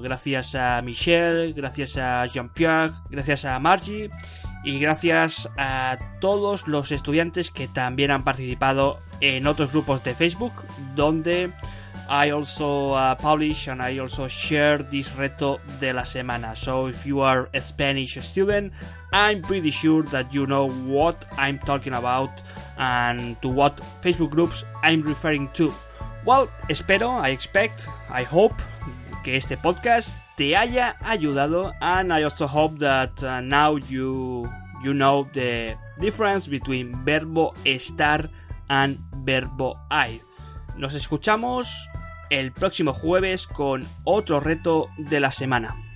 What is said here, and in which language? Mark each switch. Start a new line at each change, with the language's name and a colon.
Spanish: Gracias a Michelle, gracias a Jean-Pierre, gracias a Margie, y gracias a todos los estudiantes que también han participado en otros grupos de Facebook, donde
English: I also publish and I also share this
Spanish: reto de la semana.
English: So if you are a Spanish student, I'm pretty sure that you know what I'm talking about and to what Facebook groups I'm referring to. Well,
Spanish: espero,
English: I expect, I hope
Spanish: que este podcast te haya ayudado,
English: and I also hope that now you know the difference between verbo estar and verbo hay.
Spanish: Nos escuchamos el próximo jueves con otro reto de la semana.